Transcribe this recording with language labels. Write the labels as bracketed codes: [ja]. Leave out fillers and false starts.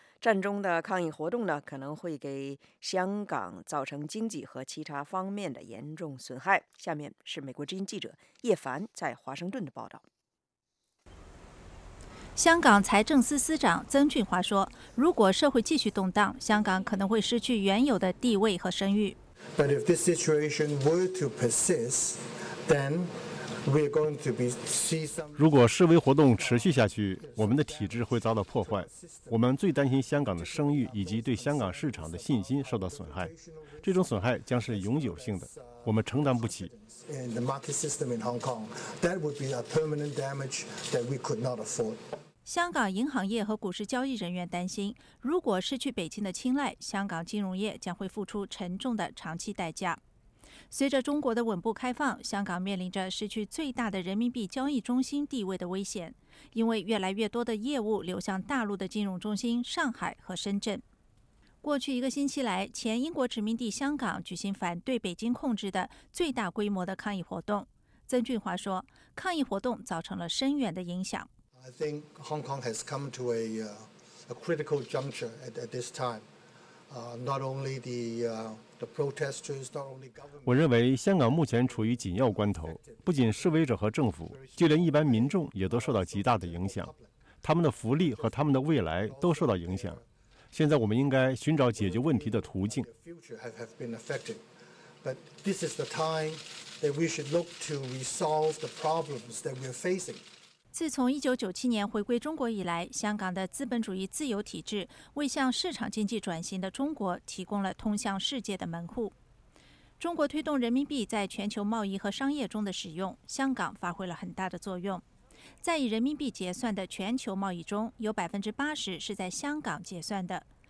[zh] 战中的抗议活动呢，可能会给香港造成经济和其他方面的严重损害。下面是美国之音记者叶凡在华盛顿的报道。香港财政司司长曾俊华说，如果社会继续动荡，香港可能会失去原有的地位和声誉。 [en] But if this situation were to persist, then we're going to be see some. [zh] 如果示威活动持续下去，我们的体制会遭到破坏。我们最担心香港的声誉以及对香港市场的信心受到损害。这种损害将是永久性的，我们承担不起。 [en] In the market system in Hong Kong, that would be a permanent damage that we could not afford. [zh] 香港银行业和股市交易人员担心，如果失去北京的青睐，香港金融业将会付出沉重的长期代价。随着中国的稳步开放，香港面临着失去最大的人民币交易中心地位的危险，因为越来越多的业务流向大陆的金融中心上海和深圳。过去一个星期来，前英国殖民地香港举行反对北京控制的最大规模的抗议活动。曾俊华说，抗议活动造成了深远的影响。 [en] I think Hong Kong has come to a critical juncture at this time. Not only the protesters, not only government. [zh] 我认为香港目前处于紧要关头，不仅示威者和政府，就连一般民众也都受到极大的影响，他们的福利和他们的未来都受到影响。现在我们应该寻找解决问题的途径。 [en] Have been affected, but this is the time that we should look to resolve the problems that we're facing. [zh] 自从1997年回归中国以来，香港的资本主义自由体制为向市场经济转型的中国提供了通向世界的门户。中国推动人民币在全球贸易和商业中的使用，香港发挥了很大的作用。在以人民币结算的全球贸易中，有 80% 是在香港结算的。